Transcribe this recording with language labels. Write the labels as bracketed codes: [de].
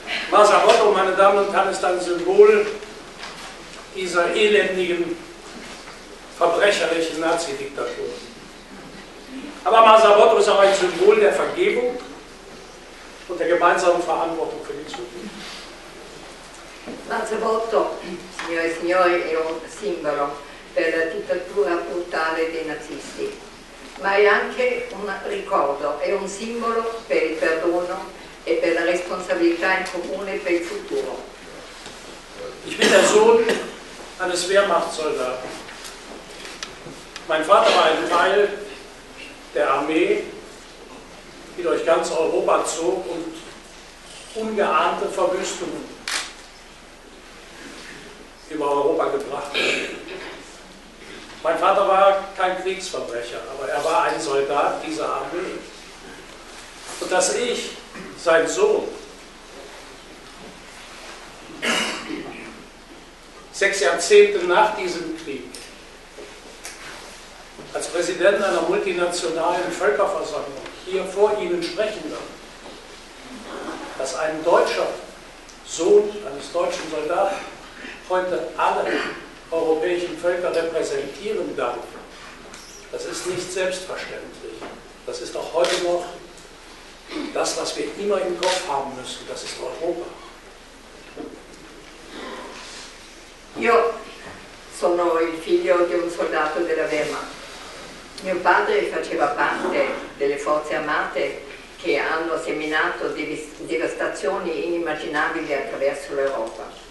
[de] Masarotto, meine Damen und Herren, ist ein Symbol dieser elendigen, verbrecherischen Nazi-Diktatur. Aber Masarotto ist auch ein Symbol der Vergebung und der gemeinsamen Verantwortung für die Zukunft. [it] Masarotto, signore e signori, è un simbolo per la dittatura brutale dei nazisti, ma è anche un ricordo, è un simbolo per il perdono e per la responsabilità in comune per il futuro. [de] Ich bin der Sohn eines Wehrmachtssoldaten. Mein Vater war ein Teil der Armee, die durch ganz Europa zog und ungeahnte Verwüstungen über Europa gebracht hat. Mein Vater war kein Kriegsverbrecher, aber er war ein Soldat dieser Armee. Und dass ich, sein Sohn, 6 Jahrzehnte nach diesem Krieg als Präsident einer multinationalen Völkerversammlung hier vor Ihnen sprechen darf, dass ein deutscher Sohn eines deutschen Soldaten heute alle europäischen Völker repräsentieren darf, das ist nicht selbstverständlich. Das ist auch heute noch das, was wir immer im Kopf haben müssen, das ist Europa. [it] Io sono il figlio di un soldato della Wehrmacht. Mio padre faceva parte delle forze armate che hanno seminato devastazioni inimmaginabili attraverso l'Europa.